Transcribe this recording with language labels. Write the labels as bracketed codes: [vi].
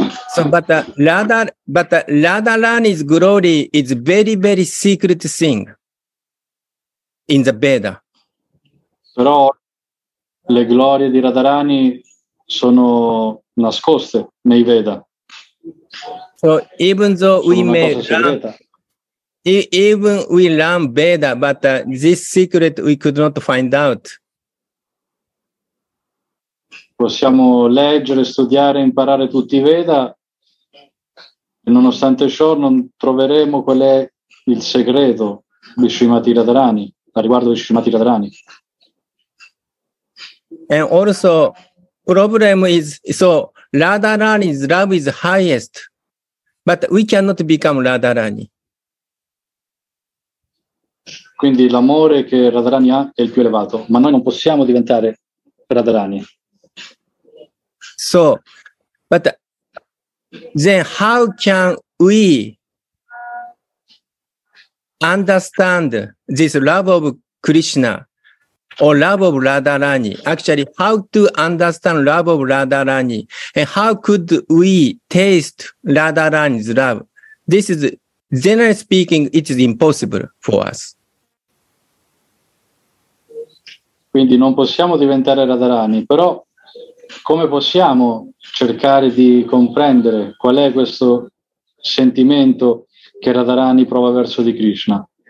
[en] So, Radharani's glory is very, very secret thing in the Veda. [it] Però le glorie di Radharani sono nascoste nei Veda. [en] So even though we may learn, even we learn Veda, but this secret we could not find out. [it] Possiamo leggere, studiare, imparare tutti i Veda, e nonostante ciò non troveremo qual è il segreto di Srimati Radharani, a riguardo di Srimati Radharani. [en] And also problem is, so Radharani's love is highest, but we cannot become Radharani. [it] Quindi l'amore che Radharani ha è il più elevato, ma noi non possiamo diventare Radharani. [en] So, but then how can we understand this love of Krishna? Or love of Radharani. Actually, how to understand love of Radharani? And how could we taste Radharani's love? This is, generally speaking, it is impossible for us. [it] Quindi non possiamo diventare Radharani, però come possiamo cercare di comprendere qual è questo sentimento che Radharani prova verso di Krishna?